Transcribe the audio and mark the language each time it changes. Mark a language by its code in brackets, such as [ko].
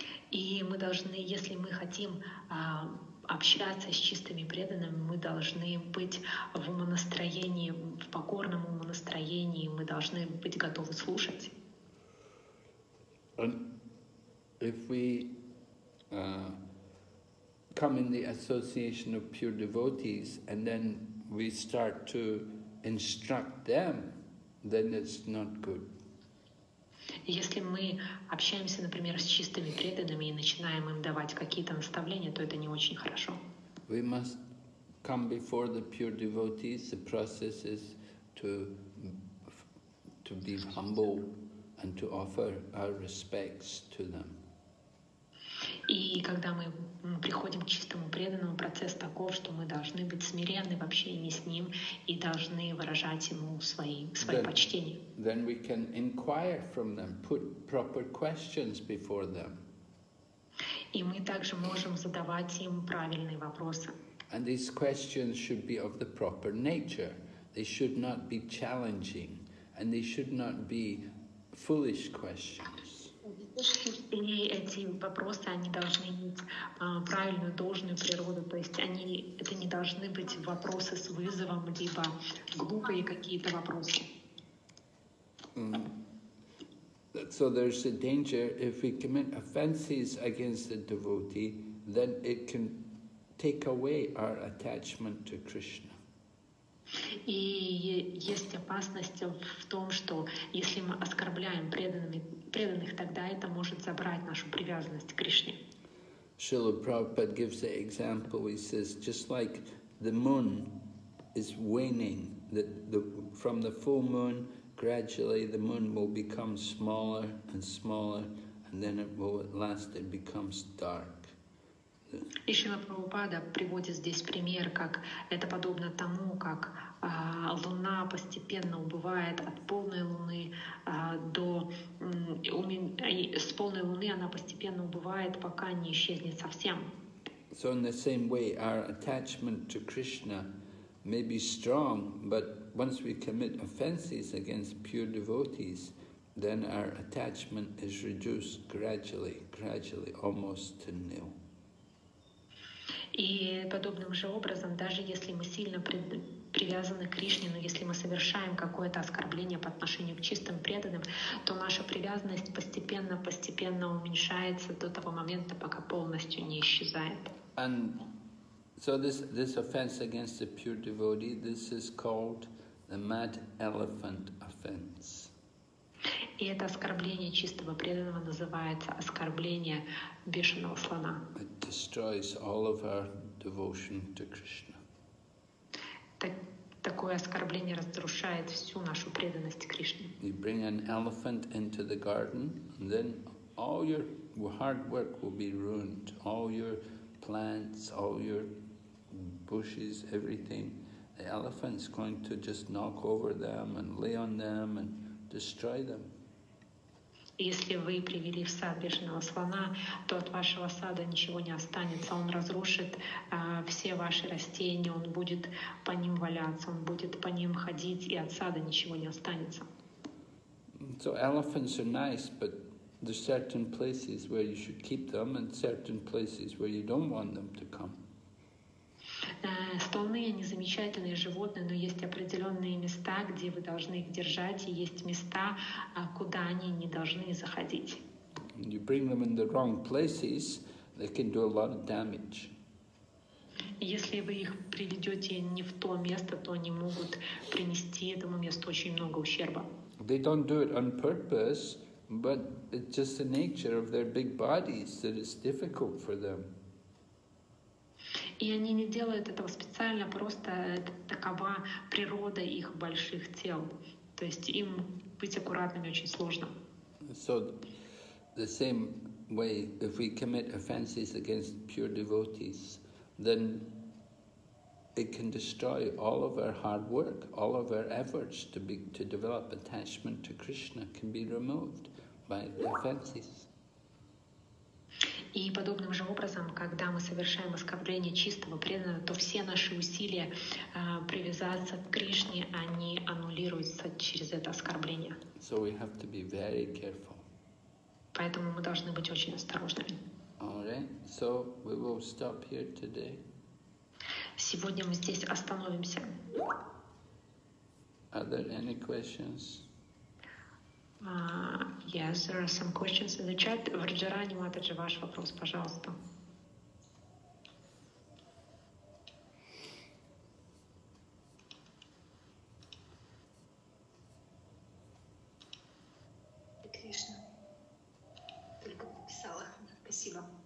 [ru] И мы должны, если мы хотим общаться с чистыми преданными, мы должны быть в умонастроении, в покорном умонастроении, мы должны быть готовы слушать. [en] And if we come in the association of pure devotees and then we start to instruct them, then it's not good. [ru] Если мы общаемся, например, с чистыми преданными и начинаем им давать какие-то наставления, то это не очень хорошо. [en] We must come before the pure devotees. The process is to be humble and to offer our respects to them. [ru] И когда мы приходим к чистому преданному, процесс таков, что мы должны быть смиренны в общении с ним и должны выражать ему свои почтения. [en] Then we can inquire from them, put proper questions before them. [ru] И мы также можем задавать им правильные вопросы. [en] And these questions should be of the proper nature. They should not be challenging, and they should not be foolish questions. [ru] И эти вопросы, они должны иметь правильную, должную природу, то есть они, это не должны быть вопросы с вызовом, либо глупые какие-то вопросы. [en] So there's a danger, if we commit offenses against the devotee, then it can take away our attachment to Krishna. [ru] И есть опасность в том, что если мы оскорбляем преданных, тогда это может забрать нашу привязанность к Кришне. [en] Srila Prabhupada gives the example, he says, just like the moon is waning, from the full moon, gradually the moon will become smaller and smaller, and then it will at last it becomes dark. [ru] И Шрила Прабхупада приводит здесь пример, как это подобно тому, как луна постепенно убывает от полной луны с полной луны она постепенно убывает, пока не исчезнет совсем. [en] So in the same way, our attachment to Krishna may be strong, but once we commit offenses against pure devotees, then our attachment is reduced gradually, almost to nil. [ru] И подобным же образом, даже если мы сильно привязаны к Кришне, но если мы совершаем какое-то оскорбление по отношению к чистым преданным, то наша привязанность постепенно уменьшается до того момента, пока полностью не исчезает. [en] And so this offense against the pure devotee, this is called the mad elephant offense. [ru] И это оскорбление чистого преданного называется оскорбление бешеного слона. [en] It destroys all of our devotion to Krishna. [ru] Такое оскорбление разрушает всю нашу преданность Кришне. [en] You bring an elephant into the garden, and then all your hard work will be ruined. All your plants, all your bushes, everything. The elephant's going to just knock over them and lay on them and destroy them. [ru] Если вы привели в сад бешеного слона, то от вашего сада ничего не останется. Он разрушит все ваши растения, он будет по ним валяться, он будет по ним ходить, и от сада ничего не останется. [en] So elephants are nice, but there's certain places where you should keep them and certain places where you don't want them to come. [ru] Слоны — они замечательные животные, но есть определенные места, где вы должны их держать, и есть места, куда они не должны заходить. [en] You bring them in the wrong places, they can do a lot of damage. [ru] Если вы их приведете не в то место, то они могут принести этому месту очень много ущерба. [en] They don't do it on purpose, but it's just the nature of their big bodies that it's difficult for them. [ru] И они не делают этого специально, просто такова природа их больших тел. То есть им быть аккуратными очень сложно. [en] So, the same way, if we commit offenses against pure devotees, then it can destroy all of our hard work, all of our efforts to develop attachment to Krishna can be removed. by defenses. [ru] И подобным же образом, когда мы совершаем оскорбление чистого преданного, то все наши усилия привязаться к Кришне, они аннулируются через это оскорбление. [en] So we have to be very careful. [ru] Поэтому мы должны быть очень осторожными. [en] Alright, so we will stop here today. [ru] Сегодня мы здесь остановимся. [en] Are there any questions? Yes, there are some questions in the chat. [ru] Раджарани, Матаджи, ваш вопрос, пожалуйста. Кришна. Только написала. Спасибо.